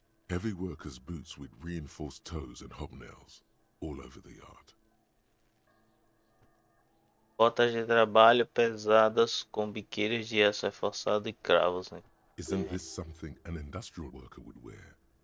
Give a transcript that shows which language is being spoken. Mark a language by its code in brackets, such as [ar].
[en] Heavy workers' boots with reinforced toes and hobnails all over the yard. [pt] Botas de trabalho pesadas com biqueiras de aço reforçado e cravos, né? [en] Isn't this something an industrial worker would wear?